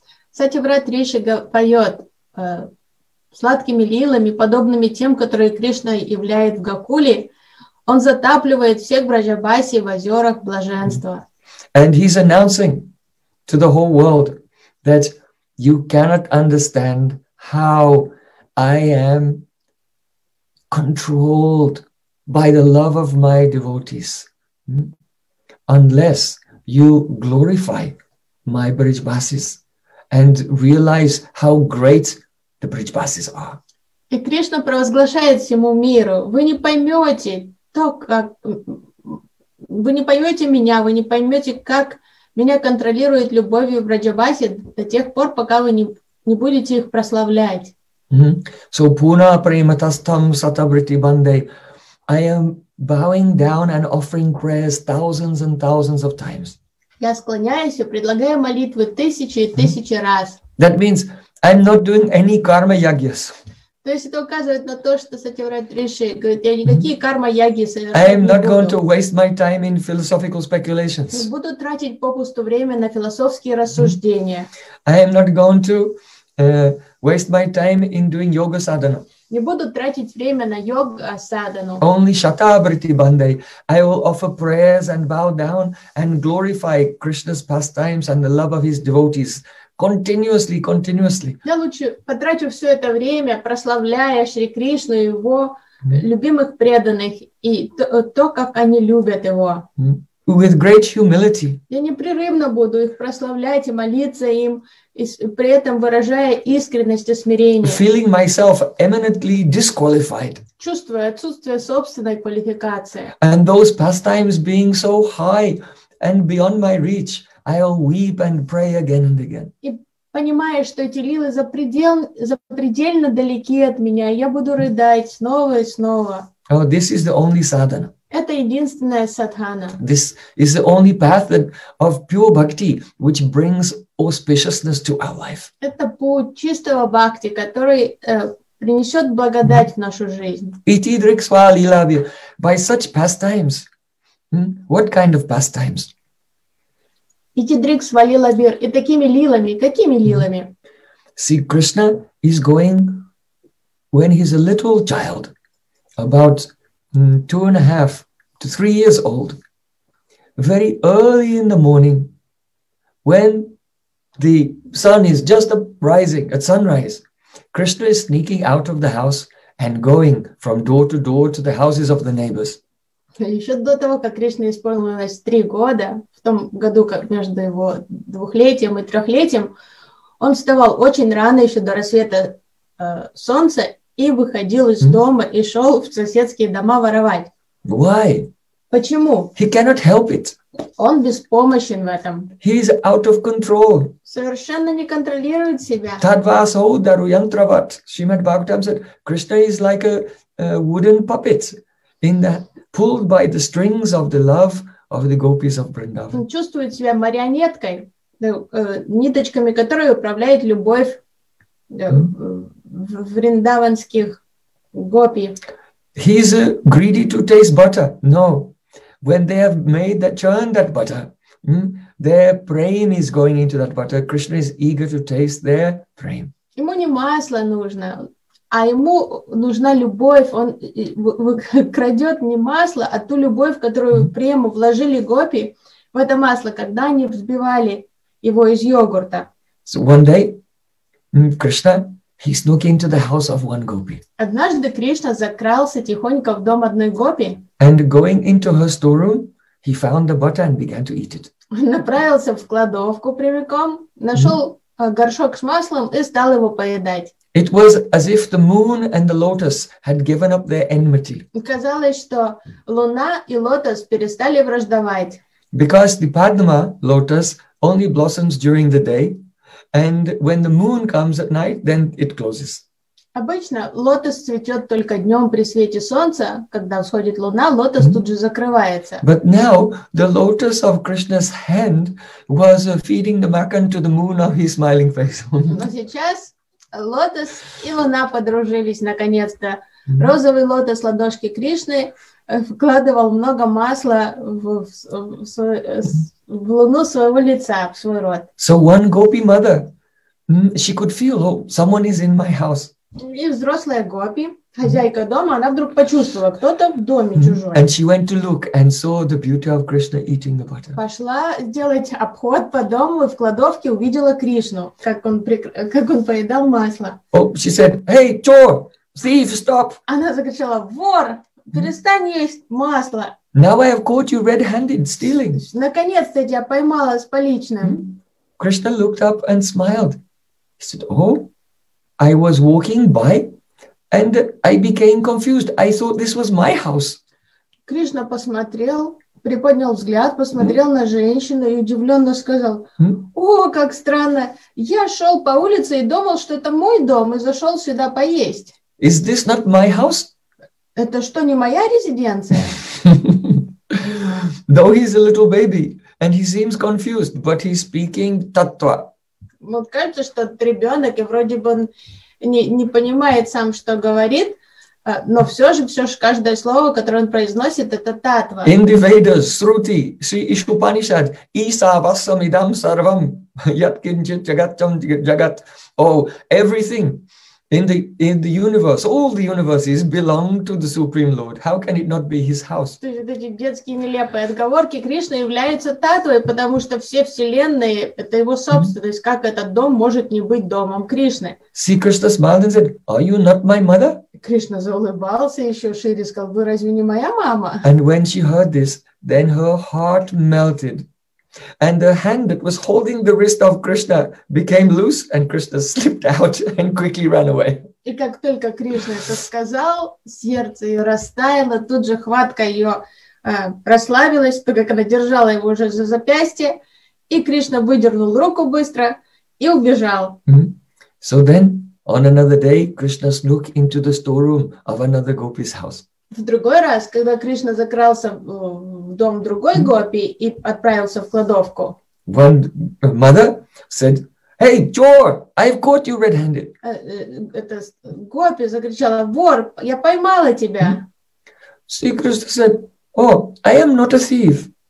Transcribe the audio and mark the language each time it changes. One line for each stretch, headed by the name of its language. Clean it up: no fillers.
Russian: Сатьяврат Риши поет сладкими лилами, подобными тем, которые Кришна являет в Гокуле. Он затапливает всех Браджабаси в озерах блаженства.
English: And he's announcing to the whole world that you cannot understand how I am controlled by the love of my devotees unless you glorify my Браджабасис. And realize how great the Brajabasis are.
Russian: И Кришна провозглашает всему миру: вы не поймете то, как вы не поймете меня, вы не поймете, как Меня контролирует любовью в Раджабасе до тех пор, пока вы не будете их прославлять.
Sanskrit: Mm-hmm. So puna prematastam satabriti bande.
English: I am bowing down and offering prayers thousands and thousands of times.
Russian: Я склоняюсь и предлагаю молитвы тысячи и тысячи раз.
English: That means I'm not doing any karma yagyas.
Russian: То есть это указывает на то, что сатьяврат-риши говорит, я никакие карма-яги совершать не буду.
English: I am not going to waste my time in philosophical speculations.
Russian: Не буду тратить попусту время на философские рассуждения.
English: I am not going to waste my time in doing yoga sadhana.
Russian: Не буду тратить время на йога садану.
Sanskrit: Only shatabriti bandai.
English: I will offer prayers and bow down and glorify Krishna's pastimes and the love of his devotees. Continuously, continuously.
Russian: Я лучше потрачу все это время, прославляя Шри Кришну и его любимых преданных и то, как они любят его.
English: With great humility.
Russian: Я непрерывно буду их прославлять и молиться им, и при этом выражая искренность и смирение.
English: Feeling myself eminently disqualified.
Russian: Чувствуя отсутствие собственной квалификации.
English: And those pastimes being so high and beyond my reach, I'll weep and pray again and again.
Russian: И понимая, что эти лилы запредельно далеки от меня, я буду рыдать снова и снова.
English: Oh, this is the only sadhana.
Russian: Это единственная садхана.
English: This is the only path that, of pure bhakti, which brings auspiciousness to our life.
Russian: Это путь чистого бхакти, который принесет благодать в нашу жизнь.
Sanskrit: Iti driksva lilavya.
English: By such pastimes. What kind of pastimes?
Sanskrit: Итидрик свалил обир.
Russian: И такими лилами, какими лилами?
English: See, Krishna is going, when he's a little child, about 2.5 to 3 years old, very early in the morning, when the sun is just rising at sunrise, Krishna is sneaking out of the house and going from door to door to the houses of the neighbors.
Russian: Еще до того, как Кришне исполнилось 3 года, в том году, как между его 2-летием и 3-летием, он вставал очень рано, еще до рассвета солнца, и выходил из дома и шел в соседские дома воровать.
English: Why?
Russian: Почему?
English: He cannot help it.
Russian: Он беспомощен в этом.
English: He is out of control.
Russian: Совершенно не контролирует себя.
Sanskrit: Tadvaso daruyantravat.
English: Shrimad Bhagavatam said, Krishna is like a wooden puppet in the pulled by the strings of the love of the gopis of Vrindavan.
Russian: Он чувствует себя марионеткой, ниточками которой управляет любовь вриндаванских гопи.
English: He is greedy to taste butter. No. When they have made that churn that butter, their prem is going into that butter. Krishna is eager to taste their prem.
Russian: Ему не масло нужно. А ему нужна любовь, он крадет не масло, а ту любовь, которую в прему вложили гопи в это масло, когда они взбивали его из йогурта.
English: So one day, Krishna, he snuck into the house of one gopi.
Russian: Однажды Кришна закрался тихонько в дом одной гопи.
English: And going into her storeroom, he found the butter and began to eat it.
Russian: Он направился в кладовку прямиком, нашел горшок с маслом и стал его поедать.
English: It was as if the moon and the lotus had given up their enmity.
Russian: Казалось, что луна и лотос перестали враждовать.
English: Because the Padma lotus only blossoms during the day, and when the moon comes at night, then it closes.
Russian: Обычно лотос цветет только днем при свете солнца, когда всходит луна, лотос тут же закрывается.
English: But now the lotus of Krishna's hand was feeding the makan to the moon of his smiling face.
Russian: Но сейчас лотос и луна подружились наконец-то. Розовый лотос ладошки Кришны вкладывал много масла в луну своего лица, в свой рот.
English: So one gopi mother, she could feel, oh, someone is in my house.
Russian: И взрослая гопи, хозяйка дома, она вдруг почувствовала, кто-то в доме чужой.
English: And she went to look and saw the beauty of Krishna eating the butter.
Russian: Пошла делать обход по дому и в кладовке увидела Кришну, как он поедал масло.
English: Oh, she said, hey, chor, thief, stop.
Russian: Она закричала, вор, перестань есть масло.
English: Now I have caught you red-handed stealing.
Russian: Наконец-то тебя поймала с поличным.
English: Krishna looked up and smiled. He said, oh, I was walking by. And I became confused. I thought this was my house.
Russian: Кришна посмотрел приподнял взгляд, посмотрел на женщину и удивленно сказал: «О, как странно! Я шел по улице и думал, что это мой дом, и зашел сюда поесть.
English: Is this not my house?
Russian: Это что, не моя резиденция?»
English: Though he's a little baby and he seems confused, but he's speaking tattva.
Russian: Вот кажется, что это ребенок, и вроде бы он не понимает сам, что говорит. Но все же каждое слово, которое он произносит, это татва.
English: In the Vedas,
Sanskrit: Shruti, Sri Ishupanishad, Isavasam idam sarvam, yatkinchit jagatcham jagat.
English: Oh, everything in the universe, all the universes belong to the Supreme Lord. How can it not be his house?
Russian: То есть эти детские нелепые отговорки: Кришна является татвой, потому что все вселенные – это его собственность. Как этот дом может не быть домом Кришны?
English: Sri Krishna smiled and said, are you not my mother?
Russian: Кришна заулыбался еще шире, сказал: вы разве не моя мама?
English: And when she heard this, then her heart melted. And the hand that was holding the wrist of Krishna became loose, and Krishna slipped out and quickly ran away.
Russian: И как только Кришна это сказал, сердце ее растаяло, тут же хватка ее расслабилась, только когда держала его уже за запястье, и Кришна выдернул руку быстро и убежал. Mm-hmm.
English: So then, on another day, Krishna snuck into the storeroom of another gopi's house.
Russian: В другой раз, когда Кришна закрался в дом другой гопи и отправился в кладовку.
English: One mother said, "Hey, chor, I've caught you red-handed."
Russian: Это гопи закричала: "Вор, я поймала тебя."
English: Sri Krishna said, "Oh, I am not a thief."